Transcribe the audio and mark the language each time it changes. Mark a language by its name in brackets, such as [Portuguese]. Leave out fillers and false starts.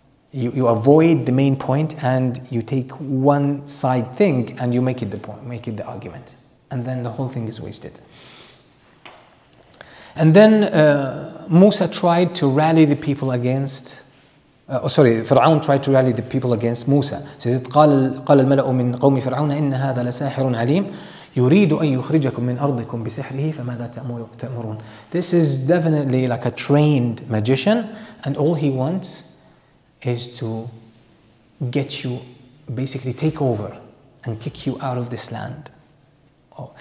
[English] You avoid the main point and you take one side thing and you make it the point, make it the argument. And then the whole thing is wasted. And then Musa tried to rally the people against... Fir'aun tried to rally the people against Musa. So he said, [Arabic] قَالَ الْمَلَأُ مِنْ قَوْمِ فِرْعَوْنَ إِنَّ هَذَا لَسَاحِرٌ عَلِيمٌ يُرِيدُ أَن يُخْرِجَكُم مِّنْ أَرْضِكُمْ بِسِحْرِهِ فَمَاذَا تَأْمُرُونَ. [English] This is definitely like a trained magician, and all he wants is to get you, basically take over and kick you out of this land. Oh.